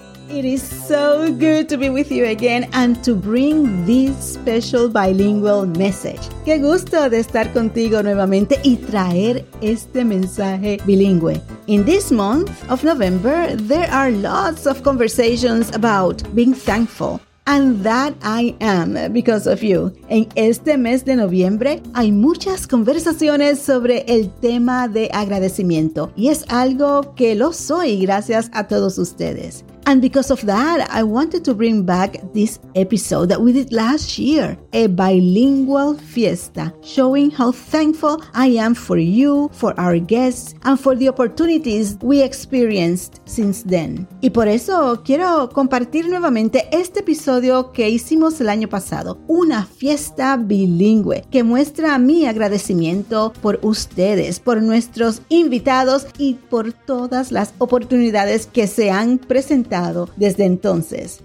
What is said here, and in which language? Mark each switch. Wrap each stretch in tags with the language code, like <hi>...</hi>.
<en>It is so good to be with you again and to bring this special bilingual message.</en> <es>Qué gusto de estar contigo nuevamente y traer este mensaje bilingüe.</es> <en>In this month of November, there are lots of conversations about being thankful. And that I am because of you.</en> <es>En este mes de noviembre hay muchas conversaciones sobre el tema de agradecimiento. Y es algo que lo soy gracias a todos ustedes.</es> <en>And because of that, I wanted to bring back this episode that we did last year, a bilingual fiesta, showing how thankful I am for you, for our guests, and for the opportunities we experienced since then.</en> <es>Y por eso quiero compartir nuevamente este episodio que hicimos el año pasado, una fiesta bilingüe que muestra mi agradecimiento por ustedes, por nuestros invitados y por todas las oportunidades que se han presentado desde entonces.</es>